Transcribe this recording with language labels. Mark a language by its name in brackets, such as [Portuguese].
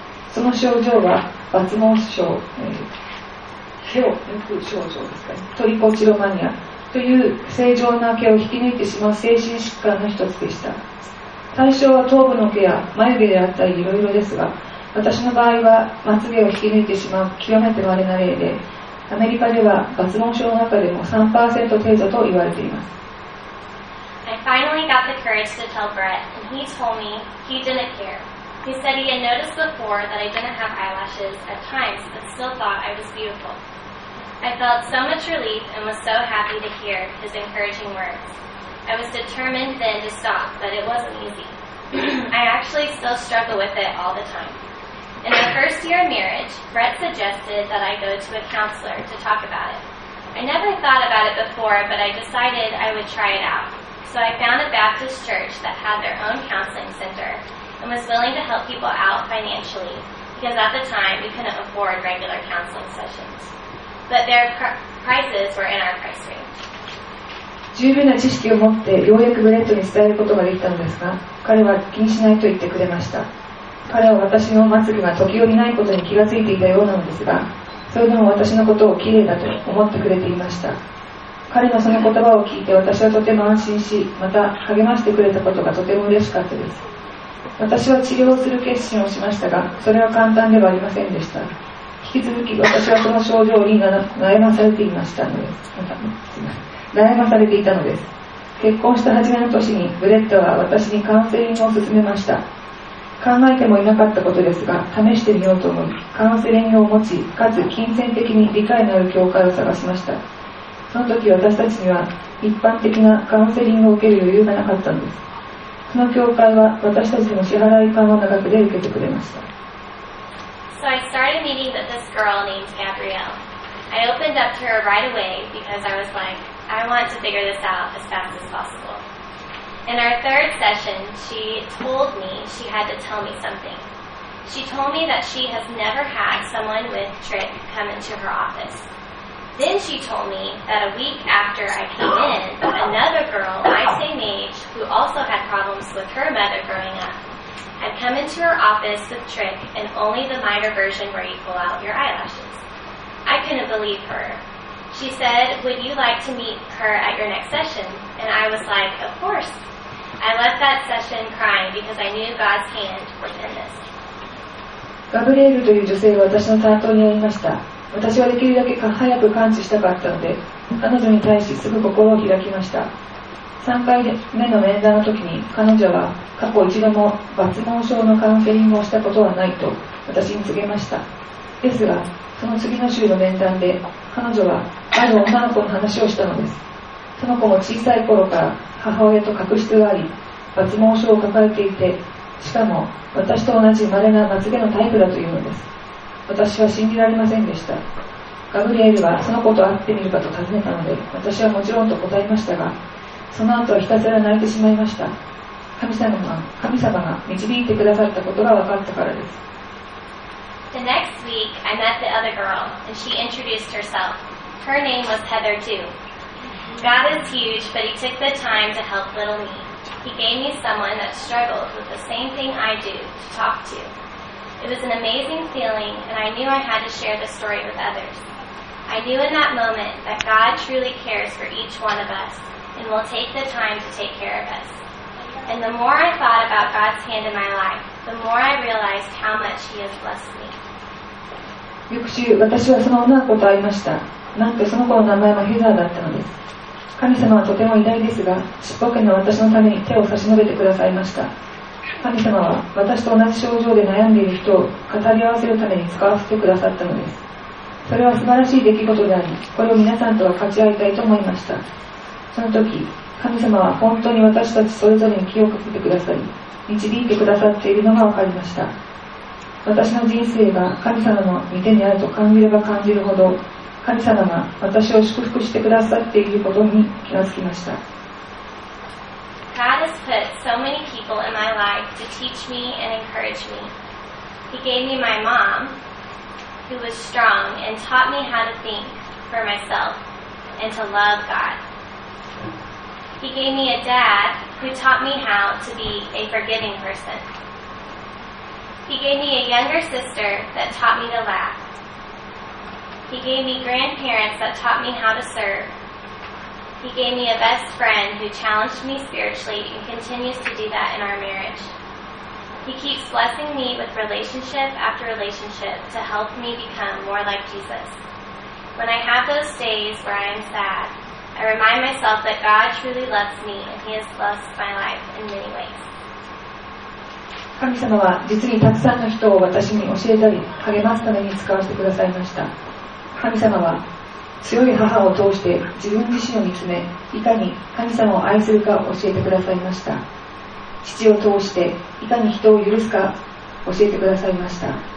[Japanese] その症状は抜毛症、毛を抜く症状ですかね、トリコチロマニアという正常な毛を引き抜いてしまう精神疾患の一つでした。対象は頭部の毛や眉毛であったりいろいろですが、私の場合はまつげを引き抜いてしまう極めて稀な例で、アメリカでは抜毛症の中でも 3% 程度と言われています。 [English] I finally got the courage to tell Brett, and he told me he didn't care. He said he had noticed before that I didn't have eyelashes at times, but still thought I was beautiful. I felt so much relief and was so happy to hear his encouraging words. I was determined then to stop, but it wasn't easy. I actually still struggle with it all the time. In my first year of marriage, Brett suggested that I go to a counselor to talk about it. I never thought about it before, but I decided I would try it out. So I found a Baptist church that had their own counseling center and was willing to help people out financially, because at the time we couldn't afford regular counseling sessions. But their prices were in our price range. [Japanese] 十分な知識を持ってようやくブレットに伝えることができたのですが、彼は気にしないと言ってくれました。彼は私の末尾が時折ないことに気がついていたようなのですが、それでも私のことをきれいだと思ってくれていました。彼のその言葉を聞いて私はとても安心し、また励ましてくれたことがとても嬉しかったです。私は治療をする決心をしましたが、それは簡単ではありませんでした。引き続き私はその症状に悩まされていましたのです。また、すみません。悩まされていたのです。結婚した初めの年にブレッドは私にカウンセリングを勧めました。考えてもいなかったことですが、試してみようと思い、カウンセリングを持ち、かつ金銭的に理解のある教会を探しました。その時私たちには一般的なカウンセリングを受ける余裕がなかったんです。その教会は私たちの支払い可能な額で受けてくれました。 [English] So I started meeting with this girl named Gabrielle. I opened up to her right away because I was like, I want to figure this out as fast as possible. In our third session, she told me she had to tell me something. She told me that she has never had someone with trick come into her office. Then she told me that a week after I came in, another girl my same age, who also had problems with her mother growing up, had come into her office with trick and only the minor version where you pull out your eyelashes. I couldn't believe her. She said, would you like to meet her at your next session? And I was like, of course. I left that session crying because I knew God's hand was in this. [Japanese] ガブリエルという女性は私の担当にありました。私はできるだけ早く完治したかったので、彼女に対しすぐ心を開きました。 3回目の面談の時に、彼女は過去一度も抜毛症のカウンセリングをしたことはないと私に告げました。ですが、その次の週の面談で、彼女はある女の子の話をしたのです。その子も小さい頃から母親と確執があり、抜毛症を抱えていて、しかも私と同じ稀なまつげのタイプだというのです。私は信じられませんでした。ガブリエルはその子と会ってみるかと尋ねたので、私はもちろんと答えましたが、その後はひたすら泣いてしまいました。神様が導いてくださったことが分かったからです。 [English] The next week, I met the other girl, and she introduced herself. Her name was Heather, too. God is huge, but he took the time to help little me. He gave me someone that struggled with the same thing I do to talk to. It was an amazing feeling, and I knew I had to share the story with others. I knew in that moment that God truly cares for each one of us and will take the time to take care of us. And the more I thought about God's hand in my life, the more I realized how much he has blessed me. [Japanese] 翌週、私はその女の子と会いました。なんとその子の名前はヘザーだったのです。神様はとても偉大ですが、ちっぽけな私のために手を差し伸べてくださいました。神様は私と同じ症状で悩んでいる人を語り合わせるために使わせてくださったのです。それは素晴らしい出来事であり、これを皆さんとは勝ち合いたいと思いました。その時、神様は本当に私たちそれぞれに気をかけてくださり、導いてくださっているのが分かりました。私の人生が神様の御手にあると感じれば感じるほど、神様が私を祝福してくださっていることに気がつきました。 [English] God has put so many people in my life to teach me and encourage me. He gave me my mom, who was strong and taught me how to think for myself and to love God. He gave me a dad who taught me how to be a forgiving person. He gave me a younger sister that taught me to laugh. He gave me grandparents that taught me how to serve. He gave me a best friend who challenged me spiritually and continues to do that in our marriage. He keeps blessing me with relationship after relationship to help me become more like Jesus. When I have those days where I am sad, I remind myself that God truly loves me and he has blessed my life in many ways. [Japanese] 神様は実にたくさんの人を私に教えたり励ますために使わせてくださいました。神様は強い母を通して自分自身を見つめ、いかに神様を愛するか教えてくださいました。父を通していかに人を許すか教えてくださいました。